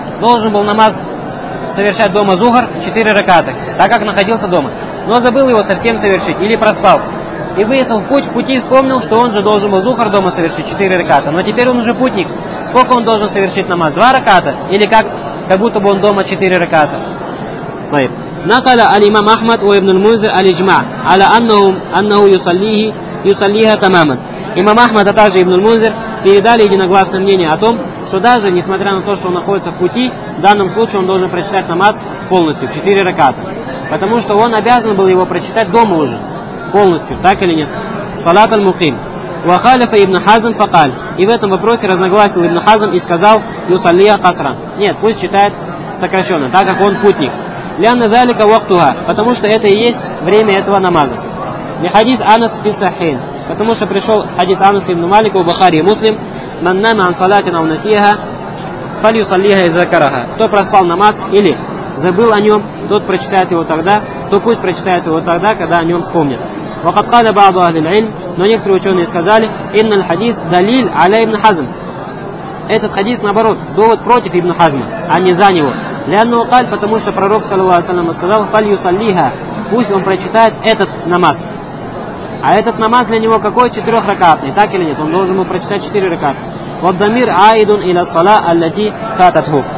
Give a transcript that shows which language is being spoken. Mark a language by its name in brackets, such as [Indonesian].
[Russian] Должен был намаз совершать дома зухар четыре раката, так как находился дома. Но забыл его совсем совершить или проспал. И выехал в пути вспомнил, что он же должен был зухар дома совершить четыре раката. Но теперь он уже путник. сколько он должен совершить намаз? Два раката? Или как будто бы он дома четыре раката? [Arabic] طيب. نقل الإمام أحمد وابن المنذر الإجماع على أنه يصليها تماما. [Russian] إمام أحمد وتاجي ابن المنذر передали единогласное мнение о том, что даже несмотря на то, что он находится в пути, в данном случае он должен прочитать намаз полностью, 4 раката. Потому что он обязан был его прочитать дома уже, полностью, так или нет? [Arabic] Салат аль-Мухим. وخالف ابن حزم فقال. [Russian] И в этом вопросе разногласил ибн Хазм и сказал [Arabic] يصليها قصرا. [Russian] Нет, пусть читает сокращенно, так как он путник. [Arabic] لأن ذلك وقتها, [Russian] потому что это и есть время этого намаза. [Arabic] لحديث أنس في الصحيحين, [Russian] потому что пришел хадис Анас ибн Малика в Бухари и Муслим, [Arabic] من نام عن صلاة أو نسيها فليصليها إذا ذكرها. [Russian] Кто проспал намаз или забыл о нем, тот прочитает его тогда, то пусть прочитает его тогда, когда о нем вспомнит. [Arabic] وقد قال بعض أهل العلم, [Russian] но некоторые ученые сказали, [Arabic] إن الحديث دليل على ابن حزم. [Russian] Этот хадис, наоборот, довод против ибн Хазма, а не за него. [Arabic] لأنه قال, [Russian] потому что пророк, саллаллаху алейхи ва саллям, сказал, [Arabic] فَلْيُصَلِّيهَا, [Russian] пусть он прочитает этот намаз. А этот намаз для него какой? Четырехракатный, так или нет? Он должен был прочитать четыре раката. [Arabic] وَالضَّمِيرُ عَائِدٌ إِلَى الصَّلَاةِ الَّتِي فَاتَتْهُ.